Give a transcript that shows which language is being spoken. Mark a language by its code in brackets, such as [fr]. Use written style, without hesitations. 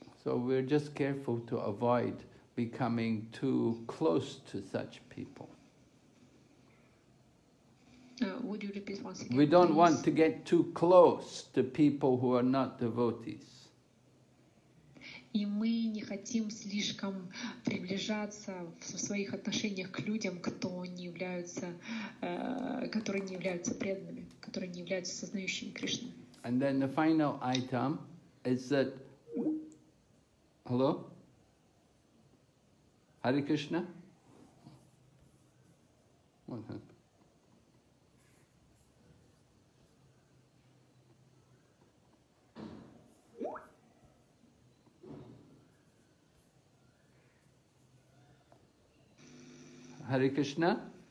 [en] So we're just careful to avoid becoming too close to such people. Would you repeat once again, we don't please? Want to get too close to people who are not devotees. [ru] И мы не хотим слишком приближаться в своих отношениях к людям, которые не являются преданными, которые не являются сознающими Кришны. [en] And then the final item is that, hello? Hare Krishna? What happened? Hare Krishna?